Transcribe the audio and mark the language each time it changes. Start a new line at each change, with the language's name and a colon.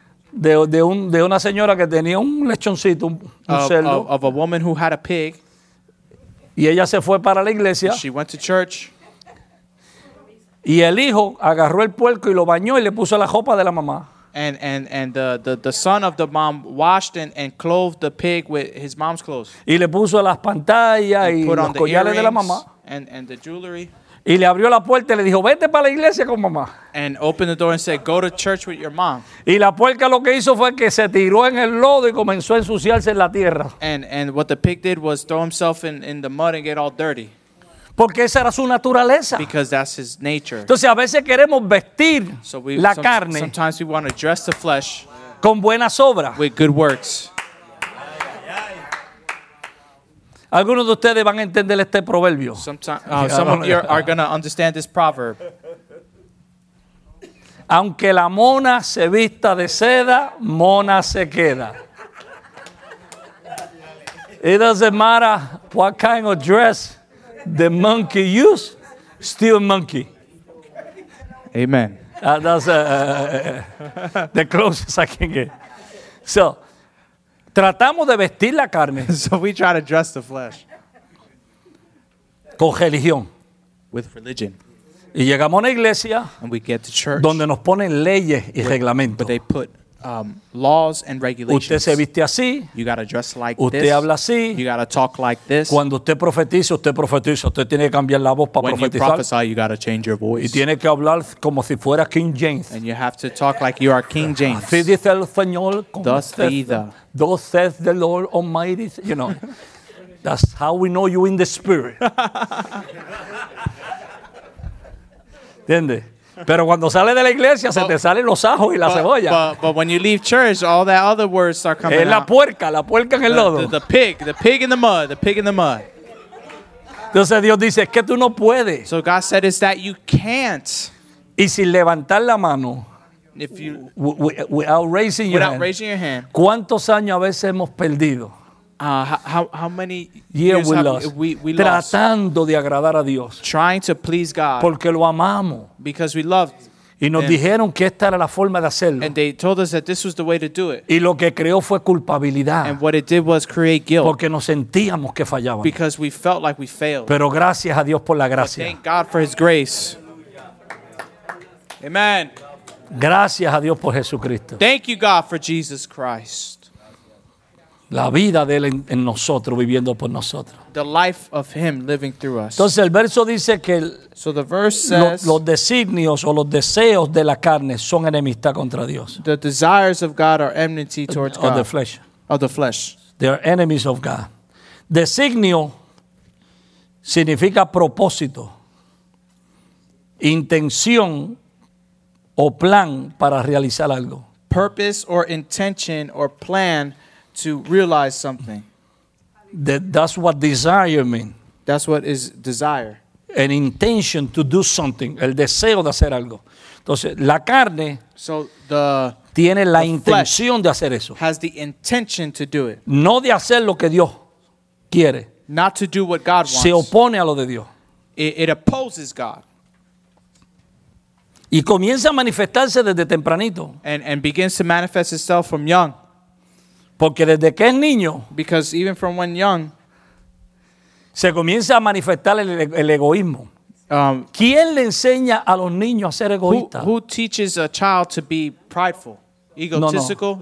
Spanish: de una señora que tenía un lechoncito un cerdo
English: of a woman who had a pig
Spanish: y ella se fue para la iglesia.
English: She went to church
Spanish: y el hijo agarró el puerco y lo bañó y le puso la ropa de la mamá.
English: And the son of the mom washed and clothed the pig with his mom's clothes.
Spanish: Y le puso las pantallas y los collares de la mamá.
English: And the jewelry.
Spanish: Y le abrió la puerta y le dijo, vete para la iglesia con mamá.
English: And opened the door and said, go to church with your mom.
Spanish: Y la puerca lo que hizo fue que se tiró en el lodo y comenzó a ensuciarse en la tierra.
English: And what the pig did was throw himself in the mud and get all dirty.
Spanish: Porque esa era su naturaleza.
English: Because that's his nature.
Spanish: Entonces a veces queremos vestir
English: so we,
Spanish: la carne.
English: Sometimes we want to dress the flesh.
Spanish: Con buenas obras.
English: With good works.
Spanish: Algunos de ustedes van a entender este proverbio.
English: Some of you are going to understand this proverb.
Spanish: Aunque la mona se vista de seda, mona se queda.
English: It doesn't matter what kind of dress the monkey use, still monkey. Amen. That's the closest I can get.
Spanish: So, tratamos de vestir la carne.
English: So we try to dress the flesh.
Spanish: Con religión.
English: With religion.
Spanish: Y llegamos a una iglesia.
English: And we get to church.
Spanish: Donde nos ponen leyes y reglamentos.
English: But they put laws and regulations.
Spanish: Usted se viste así.
English: You gotta dress like
Spanish: usted
English: this.
Spanish: Habla así.
English: You gotta talk like this.
Spanish: Cuando usted profetiza, usted tiene que cambiar la voz para
English: when
Spanish: profetizar.
English: You prophesy, you gotta change your voice.
Spanish: Y tiene que hablar como si fuera King James.
English: And you have to talk like you are King James.
Spanish: Así dice el Señor,
English: thus says the Lord Almighty. You know, that's how we know you in the spirit.
Spanish: ¿Entiende? Pero cuando sale de la iglesia se te salen los ajos y la cebolla.
English: But when you leave church, all that other words start coming out.
Spanish: Es la puerca en el lodo.
English: The pig in the mud, the pig in the mud.
Spanish: Entonces Dios dice, es que tú no puedes.
English: So God said, is that you can't.
Spanish: Y sin levantar la mano,
English: if you, without raising your hand,
Spanish: ¿cuántos años a veces hemos perdido?
English: How many years we have lost. We lost?
Spanish: Tratando de agradar a Dios.
English: Trying to please God.
Spanish: Porque lo amamos.
English: Because we love.
Spanish: Y nos dijeron que esta era la forma de hacerlo.
English: And they told us that this was the way to do it.
Spanish: Y lo que creó fue culpabilidad.
English: And what it did was create guilt.
Spanish: Porque nos sentíamos que fallábamos.
English: Because we felt like we failed.
Spanish: Pero gracias a Dios por la gracia.
English: But thank God for his grace. Amen.
Spanish: Gracias a Dios por Jesucristo.
English: Thank you God for Jesus Christ.
Spanish: La vida de él en nosotros, viviendo por nosotros.
English: The life of him living through us.
Spanish: Entonces el verso dice que
English: so the verse says,
Spanish: los designios o los deseos de la carne son enemistad contra Dios.
English: The desires of God are enmity towards God. Of the flesh. Of the flesh. They are enemies of God.
Spanish: Designio significa propósito, intención o plan para realizar algo.
English: Purpose or intention or plan to realize something. That's what desire means. That's what is desire. An intention to do something.
Spanish: El deseo de hacer algo. Entonces, la carne tiene la intención de hacer eso.
English: Has the intention to do it.
Spanish: No de hacer lo que Dios quiere.
English: Not to do what God wants.
Spanish: Se opone a lo de Dios.
English: It opposes God.
Spanish: Y comienza a manifestarse desde tempranito.
English: And begins to manifest itself from young.
Spanish: Porque desde que es niño.
English: Because even from when young.
Spanish: Se comienza a manifestar el egoísmo. ¿Quién le enseña a los niños a ser egoístas?
English: Who teaches a child to be prideful, egotistical, no.